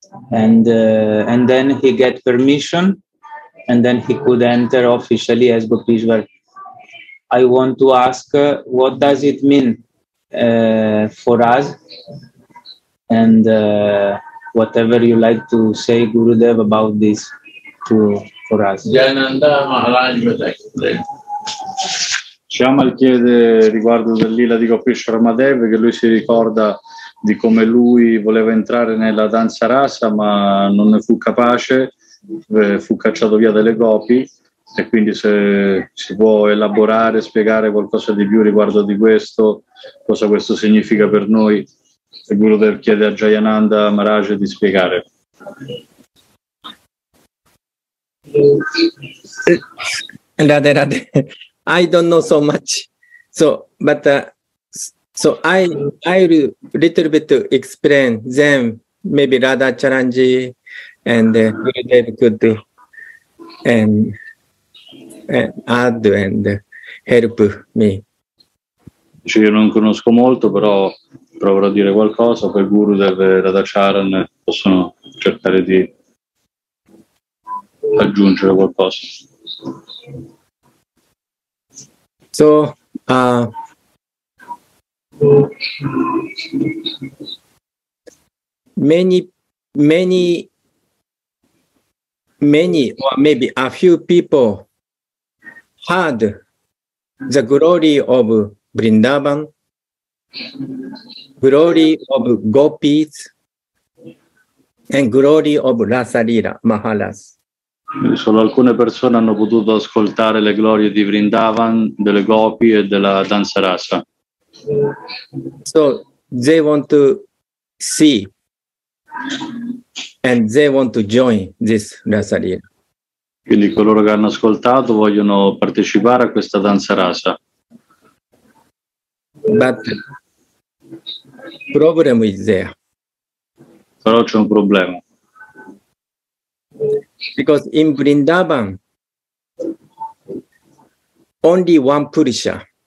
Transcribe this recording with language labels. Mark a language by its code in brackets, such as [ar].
[en] And then he get permission, and then he could enter officially as Gopeshwar. I want to ask, what does it mean for us? And whatever you like to say, Gurudev, about this to for us. Jayananda Maharaj Vajai. [it] Shyamal chiede riguardo del Leela di Gopeshwar Mahadeva, che lui si ricorda di come lui voleva entrare nella danza rasa, ma non ne fu capace, fu cacciato via dalle gopi. E quindi se si può elaborare, spiegare qualcosa di più riguardo di questo, cosa questo significa per noi, e Gurudev chiede a Jayananda Maharaj di spiegare. [en] Radhe, Radhe, I don't know so much, so, but so I will little bit to explain them, maybe Radha Charanji and Gurudev could do. Add and help me. [it] Cioè, io non conosco molto, però proverò a dire qualcosa. Poi Gurudev e Radha Charan possono cercare di aggiungere qualcosa. [en] So, many, or maybe a few people heard the glory of Vrindavan, glory of Gopis, and glory of Rasa Leela Maharas. [it] Solo alcune persone hanno potuto ascoltare le glorie di Vrindavan, delle Gopi e della danza rasa. [en] So they want to see and they want to join this Rasa Leela. [it] Quindi coloro che hanno ascoltato vogliono partecipare a questa danza rasa. [en] But problem is there. [it] Però c'è un problema. [en] Because in Vrindavan only one Purusha.